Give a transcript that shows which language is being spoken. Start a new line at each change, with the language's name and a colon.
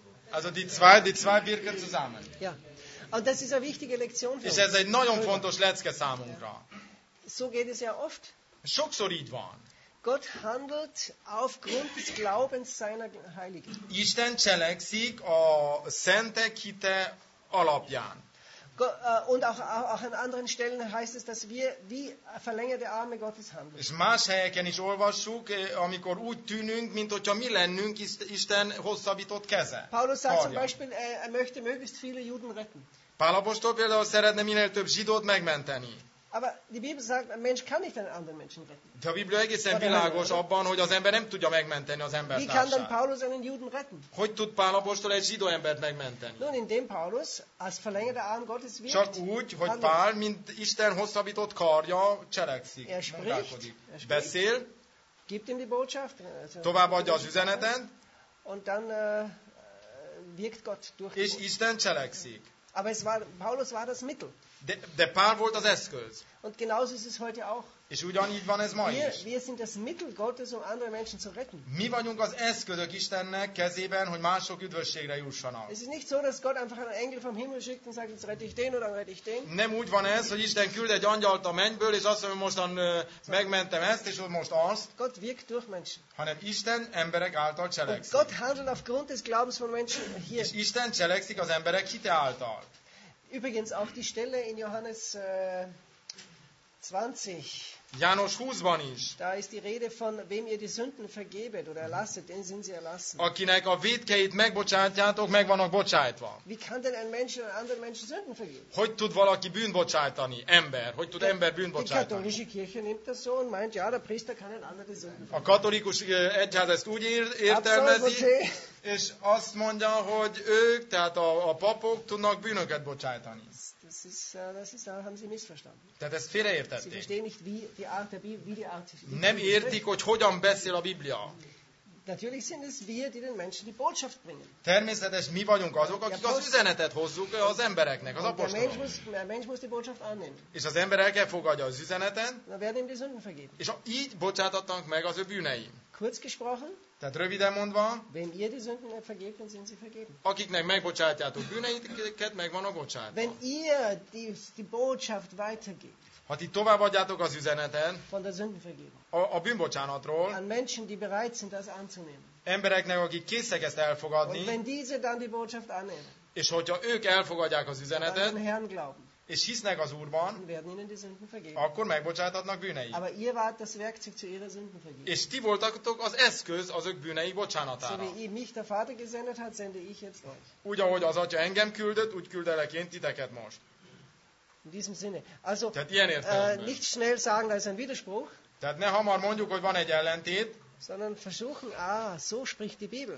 German: Also die zwei wirken zusammen. Ja. Und das ist eine wichtige Lektion für uns.
Hungarian: Ez egy nagyon fontos lecke számunkra.
German: So geht es ja oft.
Hungarian: Sokszor így van.
German: Gott handelt aufgrund des Glaubens seiner Heiligen.
Hungarian: Isten cselekszik a szentek hite alapján.
German: Und auch an anderen Stellen heißt es, dass wir wie verlängerte Arme Gottes handeln.
Hungarian: És más helyeken is olvassuk, amikor úgy tűnünk, mint hogyha mi lennünk Isten hosszabbított keze.
German: Paulus sagt zum Beispiel, er möchte möglichst viele Juden retten.
Hungarian: Pál apostol például szeretne minél több zsidót megmenteni.
German: Aber die Bibel sagt, ein Mensch kann nicht einen anderen Menschen retten.
Hungarian: De a Biblia egészen világos abban, hogy az ember nem tudja megmenteni az embert.
German: Wie kann denn Paulus einen Juden retten?
Hungarian: Hogy tud Pál apostol egy zsidó embert megmenteni?
German: Nun, indem Paulus als verlängerter Arm Gottes wirkt.
Hungarian: Csak úgy, hogy Pál, mint Isten hosszabbított karja, cselekszik.
German: Er spricht.
Hungarian: Beszél.
German: Gibt ihm die Botschaft.
Hungarian: Továbbadja az üzenetet.
German: Und dann wirkt Gott durch.
Hungarian: És Isten cselekszik.
German: Aber es war, Paulus war das Mittel.
Hungarian: De Pál volt az eszköz.
German: Und genauso ist es heute auch.
Hungarian: És ugyanígy van ez ma
German: wir,
Hungarian: is.
German: Wir sind das Mittel Gottes, um andere Menschen zu retten.
Hungarian: Mi vagyunk az eszközök Istennek kezében, hogy mások üdvösségre jussanak.
German: Es ist nicht so, dass Gott einfach einen Engel vom Himmel schickt und sagt, jetzt rette ich den oder rette ich den.
Hungarian: Nem úgy van ez, hogy Isten küld egy angyalt a mennyből, és azt mondja, hogy mostan megmentem ezt, és most azt.
German: Gott wirkt durch Menschen.
Hungarian: Hanem Isten emberek által cselekszik.
German: Und Gott handelt aufgrund des Glaubens von Menschen hier.
Hungarian: És Isten cselekszik az emberek hite által.
German: Übrigens auch die Stelle in Johannes 20.
Hungarian: János 20-ban is.
German: Da ist die Rede von wem ihr die Sünden vergebet oder erlasset, den sind sie erlassen.
Hungarian: Akinek a vétkeit megbocsátjátok, meg vannak bocsájtva.
German: Wie kann denn ein Mensch einen anderen Menschen Sünden vergeben?
Hungarian: Hogy tud valaki bűn bocsájtani? Ember, hogy tud ember bűn bocsájtani?
German: Die katholische Kirche nimmt das so und meint, ja, der Priester kann einen anderen Sünden vergeben.
Hungarian: A katolikus egyház ezt úgy értelmezi, és azt mondja, hogy ők, tehát a papok tudnak bűnöket bocsájtani.
German: Das ist, da haben Sie missverstanden.
Hungarian: Tehát ezt félreértették.
German: Sie verstehen nicht, wie die Art der Bibel, wie die Art.
Hungarian: Nem értik, hogy hogyan beszél a Biblia.
German: Natürlich sind es wir, die den Menschen die Botschaft bringen.
Hungarian: Természetes, mi vagyunk azok, akik az üzenetet hozzuk az embereknek, az apostoloknak.
German: A mensch muss die Botschaft annehmen.
Hungarian: És az ember el kell fogadja az üzenetet.
German: Dann werden ihm die Sünden vergeben.
Hungarian: És így bocsátatnak meg az ő bűneim.
German: Kurz gesprochen.
Hungarian: Tehát röviden mondva.
German: Wenn ihr die Sünden vergebt, dann sind sie vergeben.
Hungarian: Akiknek megbocsátjátok bűneiket, megvan a bocsátva.
German: Wenn ihr die Botschaft weitergebt.
Hungarian: Ha ti továbbadjátok az üzeneten.
German: Von der Sündenvergebung.
Hungarian: A bűnbocsánatról.
German: An Menschen, die bereit sind, das anzunehmen.
Hungarian: Embereknek, akik készek ezt elfogadni.
German: Und wenn diese dann die Botschaft annehmen.
Hungarian: És hogyha ők elfogadják az üzenetet.
German: Dann Herrn glauben.
Hungarian: És hisznek az Úrban, akkor megbocsátatnak bűneit.
German: Aber ihr wart das Werkzeug zu ihrer Sündenvergebung.
Hungarian: És ti voltatok az eszköz az ők bűnei bocsánatára.
German: So wie ihr mich der Vater gesendet hat, sende ich jetzt euch.
Hungarian: Úgy, ahogy az Atya engem küldött, úgy küldelek én titeket most.
German: In diesem Sinne. Also,
Hungarian: tehát ilyen értelemben.
German: Nicht schnell sagen, da ist ein Widerspruch.
Hungarian: Tehát ne hamar mondjuk, hogy van egy ellentét.
German: Sondern versuchen, so spricht die Bibel.